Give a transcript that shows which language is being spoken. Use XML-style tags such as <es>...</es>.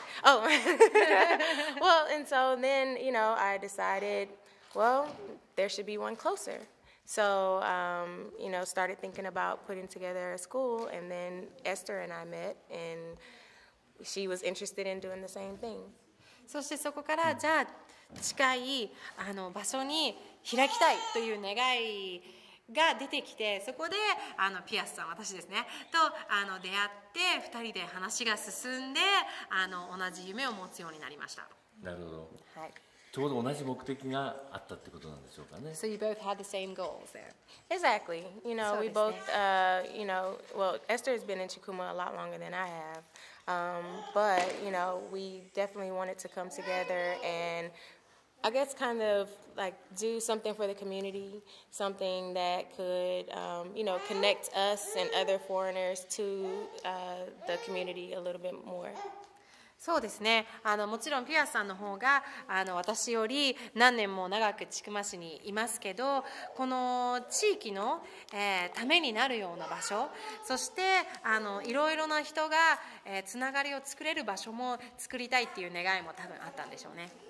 <en>Oh, well, and so then, you know, I decided, well, there should be one closer. So, you know, started thinking about putting together a school, and then Esther and I met, and she was interested in doing the same thing.</en> <ja>そしてそこから、じゃあ近い場所に開きたいという願いが出てきて、そこでピアスさん、私ですね、と出会って2人で話が進んで同じ夢を持つようになりました。なるほど、はい、ちょうど同じ目的があったってことなんでしょうかね。</ja> <en>So you both had the same goals there. Exactly. You know, we both, you know, well, Esther has been in Chikuma a lot longer than I have. But, you know, we definitely wanted to come together andI guess kind of like do something for the community, something that could, you know, connect us and other foreigners to, the community a little bit more.</en> <ja>そうですね。もちろんピアスさんの方が私より何年も長く千曲市にいますけど、この地域の、ためになるような場所、そしていろいろな人が、つながりを作れる場所も作りたいっていう願いも多分あったんでしょうね。</ja>